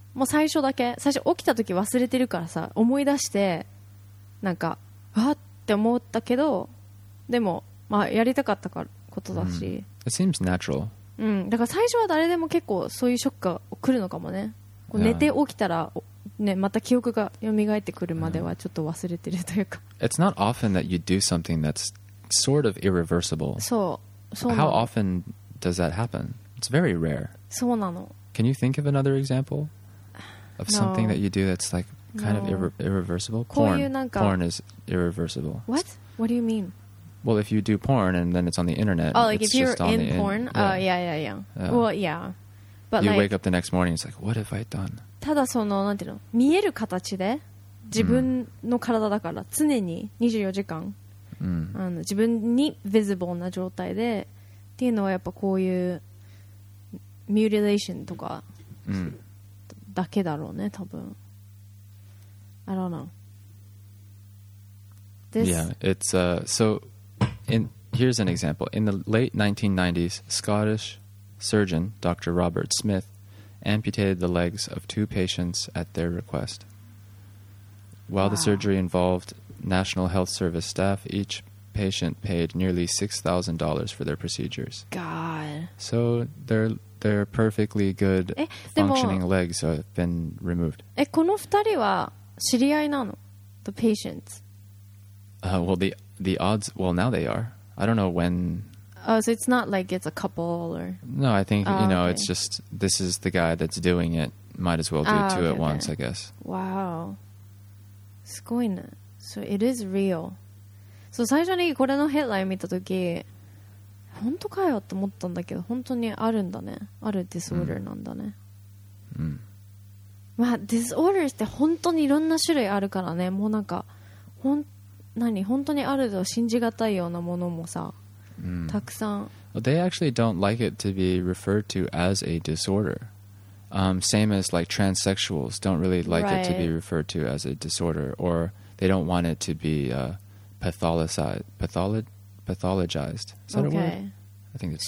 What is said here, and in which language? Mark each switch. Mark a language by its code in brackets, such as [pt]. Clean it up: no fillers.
[ja] もう最初だけ、最初起きた時忘れてるからさ、思い出してなんかあって思ったけど、でも、まあ、やりたかったことだし、 [en] It seems natural [ja] うん、だから最初は誰でも結構そういうショックが来るのかもね。こう寝て起きたら、ね、また記憶が蘇ってくるまではちょっと忘れてるというか。 [en] It's not often that you do something that's sort of irreversible. [ja] そう。そう。 [en] How often does that happen? It's very rare. [ja] そうなの。 [en] Can you think of another example of something that you do that's like kind of irreversible? Porn. Porn is irreversible. What? What do you mean? Well, if you do porn and then it's on the internet. Oh, like it's if you're just in porn? Yeah. Well, yeah. But you wake up the next morning, it's like, what have I done? [ja] ただそのなんていうの見える形で自分の体だから常に24時間、 mm. あの自分に visible な状態でっていうのはやっぱこういう mutilation とか、 mm. だけだろうね多分 [en] I don't know This Yeah, it's so in, here's an example In the late 1990s, Scottish surgeon Dr. Robert Smithamputated the legs of two patients at their request. While wow. the surgery involved National Health Service staff, each patient paid nearly $6,000 for their procedures. God. So their perfectly good functioning legs have been removed. [ja] この二人は知り合いなの? [en] The patients? Well, the odds... Well, now they are. I don't know when... Oh, so it's not like it's a couple or... No, I think, oh, you know, okay. it's just this is the guy that's doing it. Might as well do two at once, I guess. Wow. [ja] すごいね。 [en] So it is real. [ja] So 最初にこれのヘッドライン見たとき、本当かよって思ったんだけど、本当にあるんだね。あるディスオーダーなんだね。うん。まあ、ディスオーダーって本当にいろんな種類あるからね。もうなんか、本当にあると信じがたいようなものもさ、 Mm. たくさん [en] well, they actually don't like it to be referred to as a disorder same as like transsexuals don't really like right. it to be referred to as a disorder or they don't want it to be pathologized is that okay. a word? I think it's